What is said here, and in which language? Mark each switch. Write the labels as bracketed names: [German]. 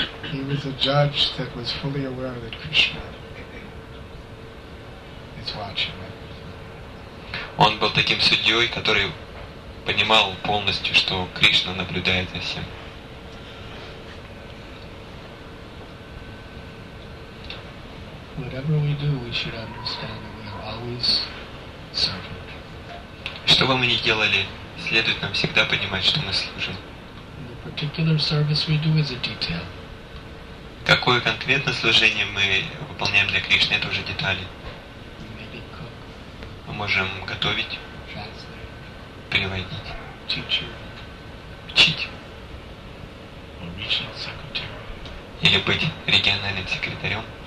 [English] He was a judge that was fully aware that Krishna is watching. [Russian] Он был таким судьей, который понимал полностью, что Кришна наблюдает за всем. [English] Whatever we do, we should understand that we are always servant. [Russian] Что бы мы ни делали, следует нам всегда понимать, что мы служим. [English] The particular service we do is a detail. [Russian] Какое конкретное служение мы выполняем для Кришны, это уже детали. [English] We may be cook. [Russian] Мы можем готовить, [English] translate, [Russian] переводить, [English] teacher, [Russian] учить, [English] or regional secretary, [Russian] или быть региональным секретарем.